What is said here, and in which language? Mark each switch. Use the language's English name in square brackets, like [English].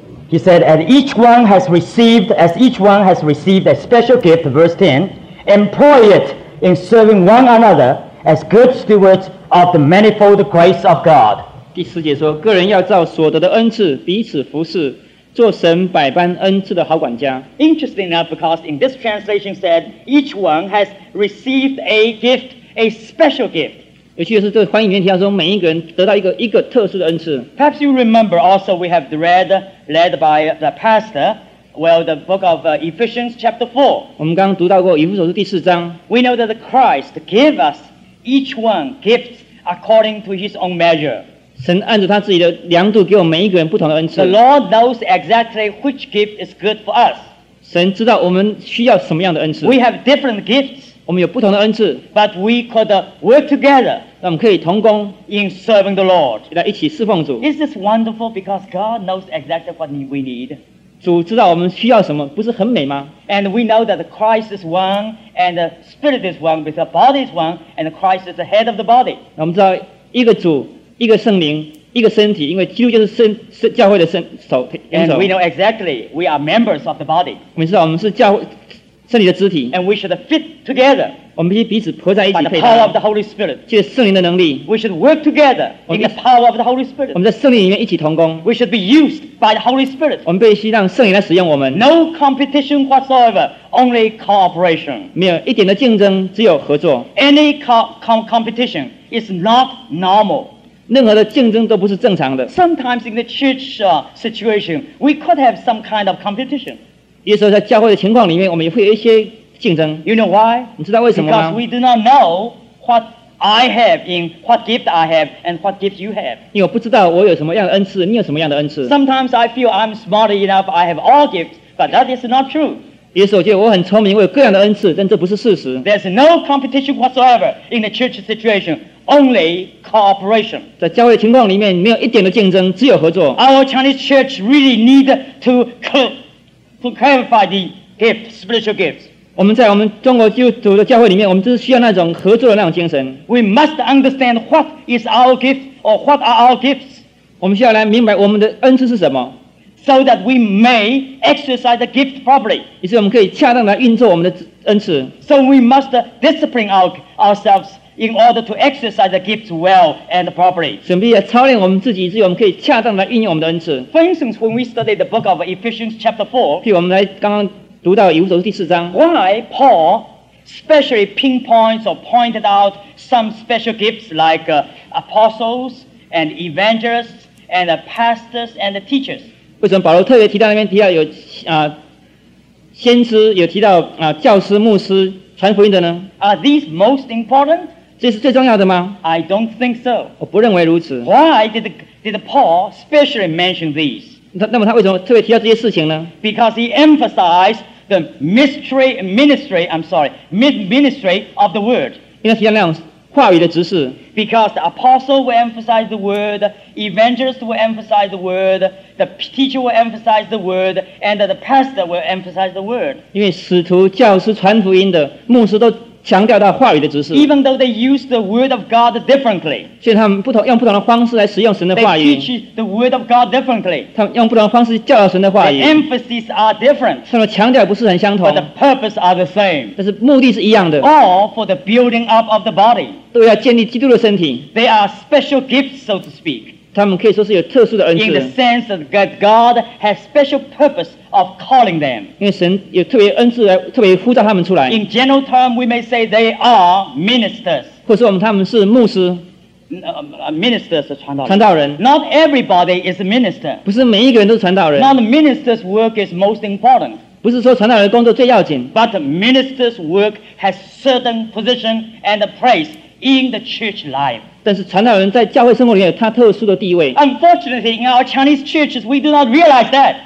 [English] He said, as each one has received, as each one has received a special gift, verse 10, employ it in serving one another as good stewards of the manifold grace of God. [Chinese] 第四节说，个人要照所得的恩赐彼此服侍，做神百般恩赐的好管家。 [English] Interesting enough, because in this translation said, each one has received a gift, a special gift. [Chinese] 尤其是这个翻译里面提到说，每一个人得到一个特殊的恩赐。 [English] Perhaps you remember also we have read led by the pastor, well, the book of Ephesians chapter 4. [Chinese] 我们刚刚读到过《以弗所书》第四章。 [English] We know that Christ gave us each one gifts according to His own measure. [Chinese] 神按照他自己的量度给我们每一个人不同的恩赐。 [English] The Lord knows exactly which gift is good for us. [Chinese] 神知道我们需要什么样的恩赐。 [English] We have different gifts. [Chinese] 我们有不同的恩赐 [English] but we could work together [Chinese] 我们可以同工 [English] in serving the Lord [Chinese] 来一起侍奉主 [English] Is this wonderful because God knows exactly what we need [Chinese] 主知道我们需要什么不是很美吗 [English] And we know that Christ is one and the Spirit is one because the body is one and Christ is the head of the body [Chinese] 我们知道一个主一个圣灵一个身体，因为基督就是身身教会的身手。 [English] And we know exactly we are members of the body. [Chinese] 我们知道我们是教身体的肢体。 [English] And we should fit together. [Chinese] 我们必须彼此合在一起配搭。 [English] By the power of the Holy Spirit. [Chinese] 借圣灵的能力。 [English] We should work together in the power of the Holy Spirit. [Chinese] 我们在圣灵里面一起同工。 [English] We should be used by the Holy Spirit. [Chinese] 我们必须让圣灵来使用我们。 [English] No competition whatsoever, only cooperation. [Chinese] 没有一点的竞争，只有合作。 [English] Any competition is not normal. [Chinese] 任何的竞争都不是正常的。 [English] Sometimes in the church situation, we could have some kind of competition. [Chinese] 有时候在教会的情况里面，我们也会有一些竞争。 [English] You know why? [Chinese] 你知道为什么吗？ [English] Because we do not know what I have in what gift I have and what gift you have. [Chinese] 因为我不知道我有什么样的恩赐，你有什么样的恩赐。 [English] Sometimes I feel I'm smart enough, I have all gifts, but that is not true. [Chinese] 也许我觉得我很聪明，我有各样的恩赐，但这不是事实。 [English] There's no competition whatsoever in the church situation, only cooperation. [Chinese] 在教会情况里面，没有一点的竞争，只有合作。 [English] Our Chinese church really need to clarify the gift, spiritual gifts. [Chinese] 我们在我们中国基督徒的教会里面，我们就是需要那种合作的那种精神。 [English] We must understand what is our gift or what are our gifts. [Chinese] 我们需要来明白我们的恩赐是什么。 [English] So that we may exercise the gift properly. [Chinese] 于是我们可以恰当地运作我们的恩赐。 [English] So we must discipline ourselves in order to exercise the gifts well and properly. [Chinese] 所以我们要操练我们自己，所以我们可以恰当地运用我们的恩赐。 [English] For instance, when we study the book of Ephesians chapter 4, [Chinese] 譬如我们来刚刚读到以弗所书第四章。 [English] Why Paul specially pinpoints or pointed out some special gifts like apostles and evangelists and pastors and teachers? [Chinese] 为什么保罗特别提到那边提到有先知，有提到教师、牧师、传福音的呢？ [English] Are these most important? [Chinese] 这是最重要的吗？ [English] I don't think so. [Chinese] 我不认为如此。 [English] Why did Paul specially mention these? [Chinese] 那么他为什么特别提到这些事情呢？ [English] Because he emphasized the ministry of the word. [Chinese] 因为提到那种话语的执事。 [English] Because the apostle will emphasize the word, evangelist will emphasize the word, the teacher will emphasize the word, and the pastor will emphasize the word. [Chinese] 因为使徒、教师、传福音的牧师都强调到话语的执事。 [English] Even though they use the word of God differently, [Chinese] 所以他们不同用不同的方式来使用神的话语。 [English] They teach the word of God differently. [Chinese] 他们用不同的方式教导神的话语。 [English] The emphases are different. [Chinese] 他们强调不是很相同。 [English] But the purpose are the same. [Chinese] 但是目的是一样的。 [English] All for the building up of the body. [Chinese] 都要建立基督的身体。 [English] They are special gifts, so to speak. [Chinese] 他们可以说是有特殊的恩赐。 [English] In the sense that God has special purpose of calling them. [Chinese] 因为神有特别恩赐来特别呼召他们出来。 [English] In general term, we may say they are ministers. [Chinese] 或者说我们他们是牧师。 Ministers 是传道人。传道人。 [English] Not everybody is a minister. [Chinese] 不是每一个人都是传道人。 [English] Not the minister's work is most important. [Chinese] 不是说传道人的工作最要紧。 [English] But minister's work has certain position and place in the church life. [Chinese] 但是传道人在教会生活里面有他特殊的地位。 [English] Unfortunately, in our Chinese churches, we do not realize that.